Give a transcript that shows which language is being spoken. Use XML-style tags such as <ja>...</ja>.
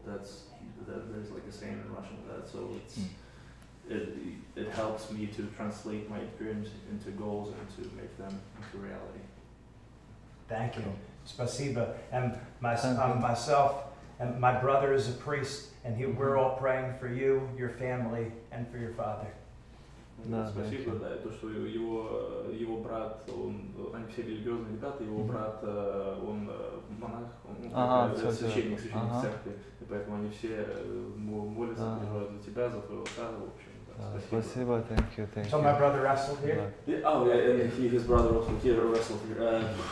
<en>There's like a saying in Russian for that. So it's. It helps me to translate my dreams into goals and to make them into reality. Thank you.</en> <ru>Спасибо.</ru> <en>And myself and my brother is a priest, and we're all praying for you, your family, and for your father.</en> <ru>Спасибо, да, то, что его брат, он, они все религиозные ребята, его брат, он монах, он священник церкви, и поэтому они все молятся за тебя, за твоего отца, в общем. Спасибо,</ru> <en>thank you. So my brother wrestled here? Yeah. Yeah. Oh, yeah, and his brother also here wrestled here.</en>